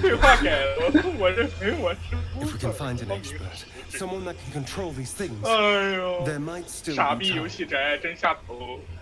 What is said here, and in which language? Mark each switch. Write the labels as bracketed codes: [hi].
[zh] 对话改了，我认为我是不是。 [en] If we can find an expert, someone that can control these things, 哎呦 there might still be time. [zh] 傻逼游戏宅真下头。